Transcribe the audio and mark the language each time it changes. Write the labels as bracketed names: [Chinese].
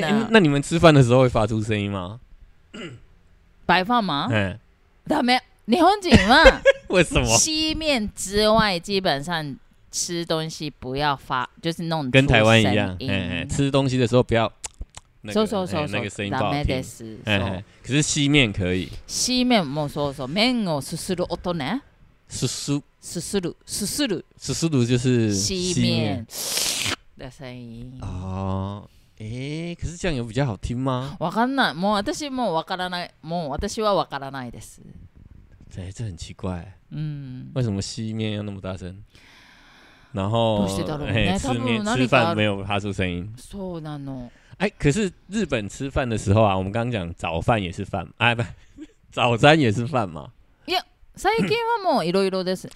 [Chinese] 那你们吃饭的时候会发出声音吗？白饭吗？他没有，日本人嘛，为什么吸面之外基本上？吃东西不要发，就是弄跟台湾一样，吃东西的时候不要那个声音不好听。 [Japanese] ダメです。 [Chinese] 可是吸面可以。吸面 [Japanese] もそうそう、麺をすする音ね。すす。すする。すする。 [Chinese] すする就是吸面的声音。哦，诶，可是酱油比较好听吗？ [Japanese] わかんない。もう私もわからない。もう私はわからないです。 [Chinese] 对，这很奇怪。嗯。为什么吸面要那么大声？然后， [Japanese] どうしてだろうね、 [Chinese] 吃面吃饭没有发出声音。 [Japanese] そうなの。 [Chinese] 哎，可是日本吃饭的时候啊，我们刚刚讲早饭也是饭，哎不，早餐也是饭嘛。 [Japanese] いや、最近はもういろいろです。